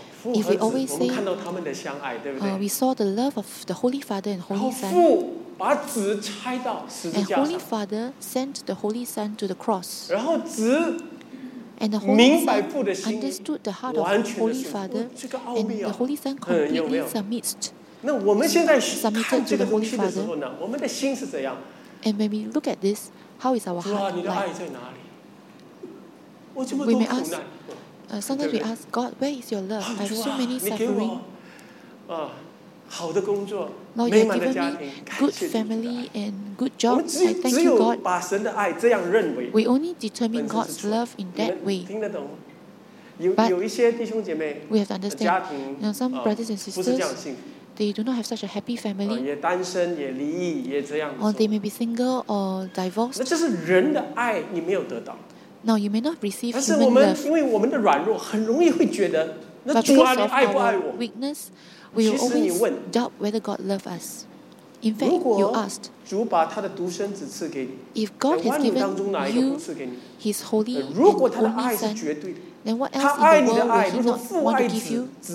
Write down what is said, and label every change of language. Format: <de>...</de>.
<en>If we always say, we saw the love of the Holy Father and Holy Son.</en> <zh>把子拆到十字架上。</zh> <en>And Holy Father sent the Holy Son to the cross.</en> <zh>然后子，</zh> <en>and the Holy Son understood the heart of Holy Father.</en> <zh>这个奥秘啊。</zh> <en>And the Holy Son completely submits.</en> <zh>那我们现在看这个东西的时候呢，我们的心是怎样</zh> <en>？And when we look at this, how is our heart like?</en> <zh>主啊，你的爱在哪里？我这么多苦难。</zh> <en>We may ask, sometimes we ask God, where is your love? I have so many suffering.</en> <zh>啊。好的工作</zh> <en>Lord,</en> <zh>美满的家庭</zh> <en>good family and good job I thank you God</en> <zh>只有把神的爱这样认为</zh> <en>we only determine God's love in that way</en> <zh>听得懂 有一些弟兄姐妹</zh> <en>we have to understand</en> <zh>家庭</zh> <en>now, some brothers and sisters they do not have such a happy family</en> <zh>也单身也离异也这样</zh> <en>or they may be single or divorced</en> <zh>那这是人的爱你没有得到</zh> <en>now you may not receive human</en> <zh>love 但是我们因为我们的软弱很容易会觉得那主啊你爱不爱我</zh> <en>weakness,We will always doubt whether God loves us. In fact, you asked, if God has given you His Holy and Holy Son, then what else in the world will He not want to give you?</en>